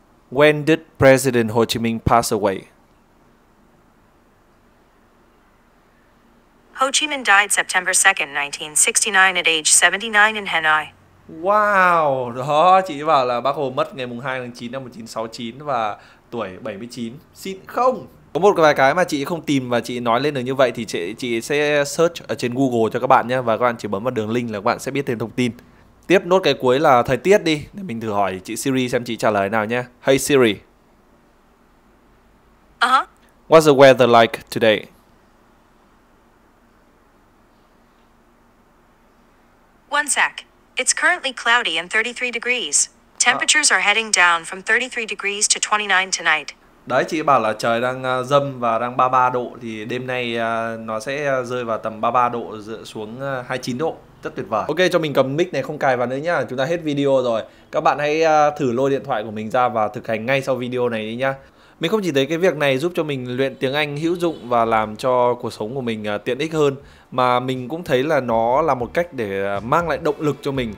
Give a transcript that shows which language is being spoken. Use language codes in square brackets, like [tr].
[en] When did President Ho Chi Minh pass away? Ho Chi Minh died September 2nd, 1969 at age 79 in Hanoi. [vi] Wow, đó, chị bảo là Bác Hồ mất ngày 2 tháng 9 năm 1969 và tuổi 79. Xin không. Có một vài cái mà chị không tìm và chị nói lên được như vậy thì chị sẽ search ở trên Google cho các bạn nhé. Và các bạn chỉ bấm vào đường link là các bạn sẽ biết thêm thông tin. Tiếp nốt cái cuối là thời tiết đi. Để mình thử hỏi chị Siri xem chị trả lời nào nhé. [en] Hey Siri. What's the weather like today? One sec. It's currently cloudy and 33 degrees. Temperatures are heading down from 33 degrees to 29 tonight. [vi] Đấy, chị bảo là trời đang dâm và đang 33 độ, thì đêm nay nó sẽ rơi vào tầm 33 độ xuống 29 độ. Rất tuyệt vời. Ok, cho mình cầm mic này không cài vào nữa nhá. Chúng ta hết video rồi. Các bạn hãy thử lôi điện thoại của mình ra và thực hành ngay sau video này đi nhá. Mình không chỉ thấy cái việc này giúp cho mình luyện tiếng Anh hữu dụng và làm cho cuộc sống của mình tiện ích hơn, mà mình cũng thấy là nó là một cách để mang lại động lực cho mình.